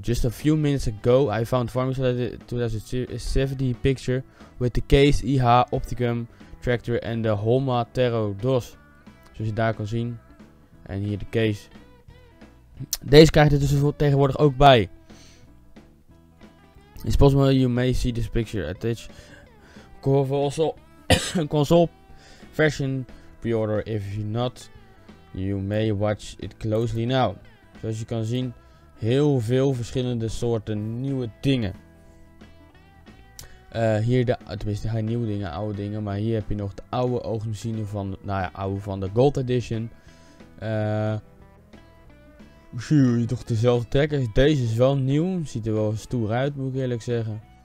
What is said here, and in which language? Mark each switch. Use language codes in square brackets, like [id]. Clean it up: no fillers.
[en] Just a few minutes ago, I found Farm Simulator 2070 picture with the Case IH Opticum Tractor [nl] en de Homa Terro DOS, zoals je daar kan zien, en hier de case. Deze krijg je dus tegenwoordig ook bij. [en] It's possible you may see this picture at each console version pre-order. If you not, you may watch it closely now. [nl] Zoals je kan zien, heel veel verschillende soorten nieuwe dingen. Hier de, tenminste geen nieuwe dingen, oude dingen, maar hier heb je nog de oude oogmachine van, nou ja, oude van de Gold Edition. Zie je toch dezelfde trekker. Deze is wel nieuw, ziet er wel stoer uit, moet ik eerlijk zeggen.